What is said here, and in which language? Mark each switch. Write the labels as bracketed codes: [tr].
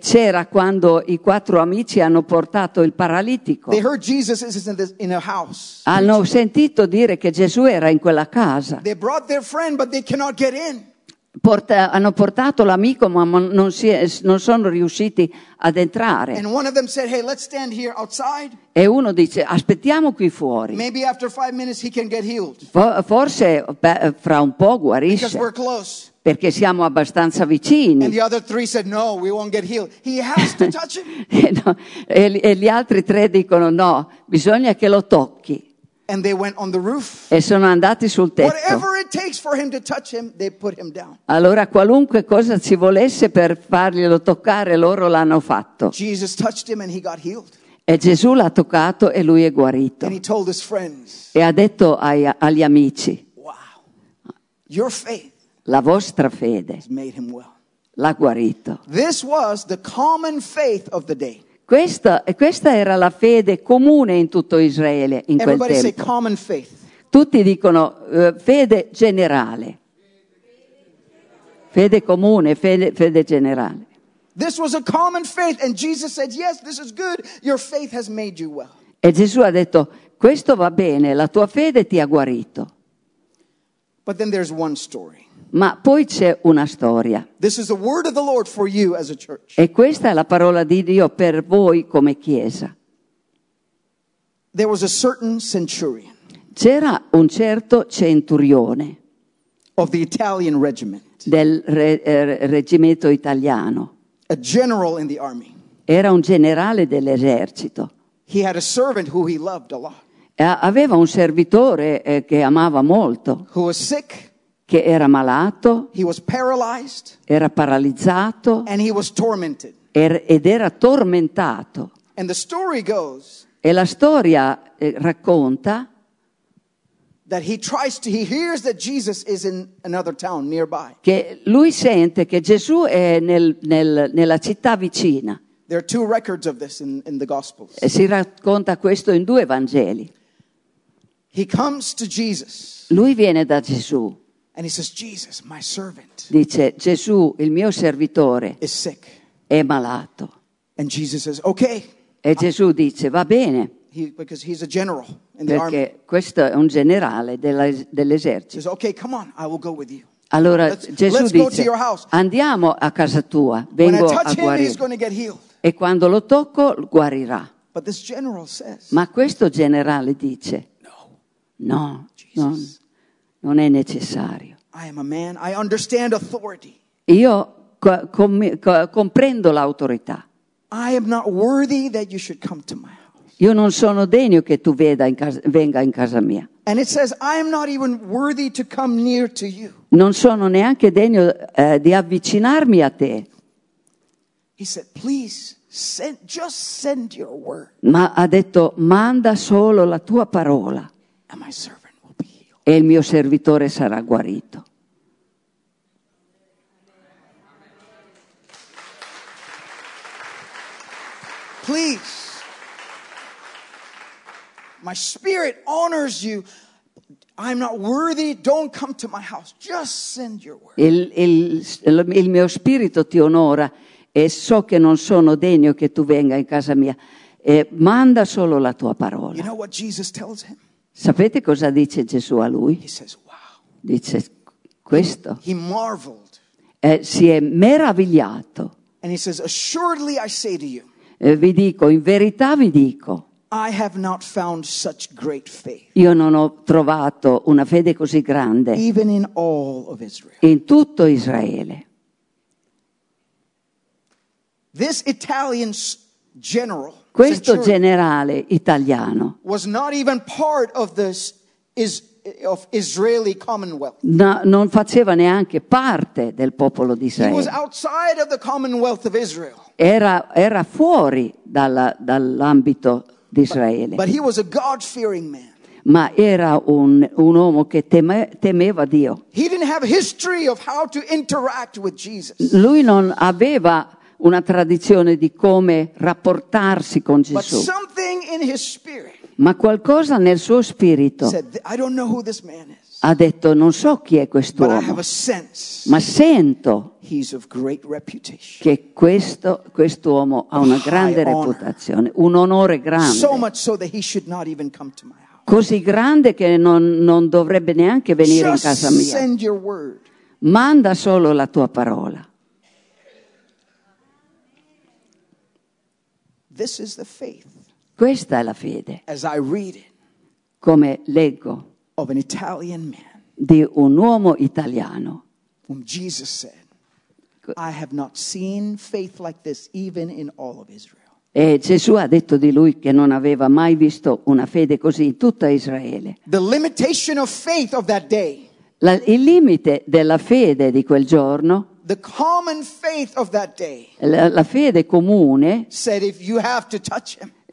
[it] c'era quando i quattro amici hanno portato il paralitico. [en] They heard Jesus is in a house. [it] Hanno sentito dire che Gesù era in quella casa. [en] They brought their friend, but they cannot get in. [it] Hanno portato l'amico, ma non sono riusciti ad entrare. [en] And one of them said, "Hey, let's stand here outside." [it] E uno dice, aspettiamo qui fuori. [en] Maybe after 5 minutes he can get healed. [it] Forse fra un po' guarisce. [en] Because we're close. [it] Perché siamo abbastanza vicini. [en] And the other three said, "No, we won't get healed. He has to touch him." [it] E gli altri tre dicono, no, bisogna che lo tocchi. [en] And they went on the roof. [it] E sono andati sul tetto. [en] Whatever it takes for him to touch him, they put him down. [it] Allora qualunque cosa ci volesse per farglielo toccare, loro l'hanno fatto. [en] Jesus touched him and he got healed. [it] E Gesù l'ha toccato e lui è guarito. [en] And he told his friends. [it] E ha detto agli amici. [en] Wow. Your faith. [it] La vostra fede. [en] Has made him well. [it] L'ha guarito. [en] This was the common faith of the day. [it] Questa era la fede comune in tutto Israele in quel [en] Everybody [it] tempo. [en] Say common faith. [it] Tutti dicono fede generale. Fede comune, fede generale. [en] This was a common faith and Jesus said, "Yes, this is good. Your faith has made you well." [it] E Gesù ha detto, "Questo va bene, la tua fede ti ha guarito." [en] But then there's one story. [it] Ma poi c'è una storia. [en] This is the word of the Lord for you as a church. [it] E questa è la parola di Dio per voi come chiesa. [en] There was a certain centurion. [it] C'era un certo centurione. [en] Of the Italian regiment. [it] Del reggimento italiano. [en] A general in the army. [it] Era un generale dell'esercito. [en] He had a servant who he loved a lot. [it] Aveva un servitore che amava molto. [en] Who was sick. [it] Che era malato. [en] He was paralyzed. [it] Era paralizzato. [en] And he was tormented. [it] Ed era tormentato. [en] And the story goes. [it] E la storia racconta. [en] That he tries to, he hears that Jesus is in another town nearby. [it] Che lui sente che Gesù è nella città vicina. [en] There are two records of this in the Gospels. [it] E si racconta questo in due Vangeli. [en] He comes to Jesus. [it] Lui viene da Gesù. [en] And he says, Jesus, my servant. [it] Dice, Gesù, il mio servitore. [en] Is sick. [it] È malato. [en] And Jesus says, okay. [it] E Gesù dice, va bene. [en] Because he's a general in the [it] perché [en] army. [it] Questo è un generale dell'esercito. [en] He says, okay, come on, I will go with you. [it] Allora Gesù dice, andiamo a casa tua, vengo a guarire. E quando lo tocco, guarirà. [en] But this general says, [it] ma questo generale dice, no, non è necessario. [en] I am a man. I understand authority. [it] Io comprendo l'autorità. [en] I am not worthy that you should come to my house. [it] Io non sono degno che tu venga in casa mia. [en] And it says, I am not even worthy to come near to you. [it] Non sono neanche degno di avvicinarmi a te. [en] He said, please send, just send your word. [it] Ma ha detto, manda solo la tua parola. [en] And my servant will be healed. [it] E il mio servitore sarà guarito. [en] Please. My spirit honors you. I'm not worthy. Don't come to my house. Just send your word. [it] Il mio spirito ti onora e so che non sono degno che tu venga in casa mia. E manda solo la tua parola. [en] You know what Jesus tells him? [it] Sapete cosa dice Gesù a lui? [en] He says, wow. [it] Dice questo. [en] He marveled. [it] Si è meravigliato. [en] And he says, assuredly I say to you. [it] Vi dico, in verità vi dico. [en] I have not found such great faith. [it] Io non ho trovato una fede così grande. [en] Even in all of Israel. [it] In tutto Israele. [en] This Italian general. [it] Questo generale italiano. [en] Was not even part of this of Israeli Commonwealth. [it] No, non faceva neanche parte del popolo di Israele. [en] He was outside of the Commonwealth of Israel. [it] Era fuori dall'ambito. [en] But he was a God-fearing man. [it] Ma era un uomo che temeva Dio. [en] He didn't have history of how to interact with Jesus. [it] Lui non aveva una tradizione di come rapportarsi con Gesù. [en] But something in his spirit. [it] Ma qualcosa nel suo spirito. [en] Said, I don't know who this man is. [it] Ha detto non so chi è quest'uomo. [en] But I have a sense. [it] Ma sento. [en] He's of great reputation. [it] Che quest'uomo ha una grande reputazione, un onore grande. [en] So much so that he should not even come to my house. [it] Così grande che non dovrebbe neanche venire in casa mia. [en] Just send your word. [it] Manda solo la tua parola. [en] This is the faith. [it] Questa è la fede. [en] As I read it. [it] Come leggo. [en] Of an Italian man. [it] Di un uomo italiano. [en] Whom Jesus said. I have not seen faith like this even in all of Israel. [it] E Gesù ha detto di lui che non aveva mai visto una fede così in tutta Israele. [en] The limitation of faith of that day. [it] Il limite della fede di quel giorno. [en] The common faith of that day. [it] La fede comune. [en] Said if you have to touch him.